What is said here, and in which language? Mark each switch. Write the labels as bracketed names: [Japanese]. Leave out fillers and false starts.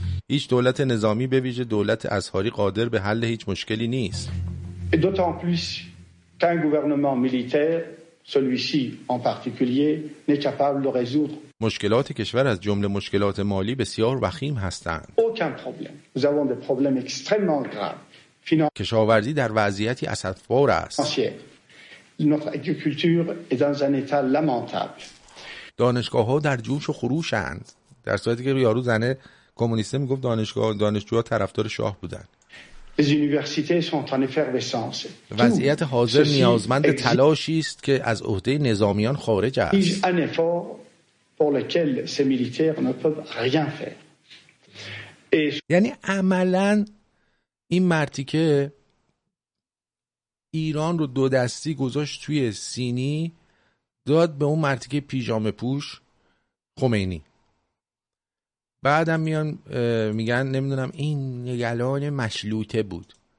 [Persian] هیچ دولت نظامی به ویژه دولت اظهاری قادر به حل هیچ مشکلی نیست. [French] D'autant plus qu'un gouvernement militaire, celui-ci en particulier, n'est capable de résoudre. [Persian] مشکلات کشور از جمله مشکلات مالی بسیار وخیم هستند. [French] Aucun problème. Nous avons des problèmes extrêmement graves. [Persian] کشاورزی در وضعیتی اسفبار است. [French] Notre agriculture est dans un état lamentable. [Persian] دانشگاه‌ها در جوش و خروشند. در صورتی که یارو زنه کمونیست میگفت دانشجوها طرفدار شاه بودن. [French] Les universités sont en effervescence. [Persian] وضعیت حاضر نیازمند تلاشی است که از عهده نظامیان خارج است. [French] Il y a un effort pour lequel ces militaires ne peuvent rien faire. [Persian] یعنی عملاً این مردی که ایران رو دو دستی گذاشت توی سینی داد به اون مردی که پیژامه پوش خمینی. بعدم میان میگن نمیدونم این نگلان مشلوطه بود.